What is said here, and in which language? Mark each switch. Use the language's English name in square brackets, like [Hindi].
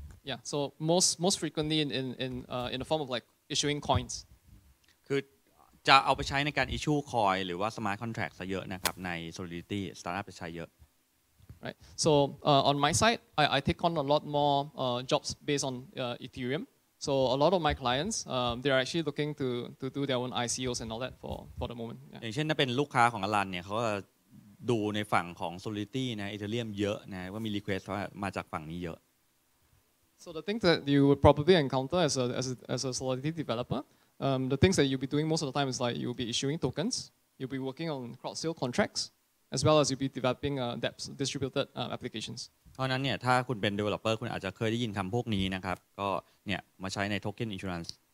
[English] Yeah, so most frequently in the form of like issuing coins. [Thai] คือจะเอาไปใช้ในการ issue coin หรือว่า smart contract ซะเยอะนะครับใน Solidity startup จะใช้เยอะ [English] right so on my side I take on a lot more jobs based on Ethereum so a lot of my clients they are actually looking to do their own ICOs and all that for the moment [Thai] อย่างเช่นถ้าเป็นลูกค้าของอลันเนี่ยเขาก็ดูในฝั่งของ Solidity นะ Ethereum เยอะนะว่ามี request มาจากฝั่งนี้เยอะ [English] so the thing that you would probably encounter as a Solidity developerthe things that you'll be doing most of the time is like you'll be issuing tokens, you'll be working on cross sale contracts, as well as you'll be developing dApps distributed applications. [Thai] เพราะนั้นเนี่ยถ้าคุณเป็น developer คุณอาจจะเคยได้ยินคำพวกนี้นะครับก็เนี่ยมาใช้ใน token insurance.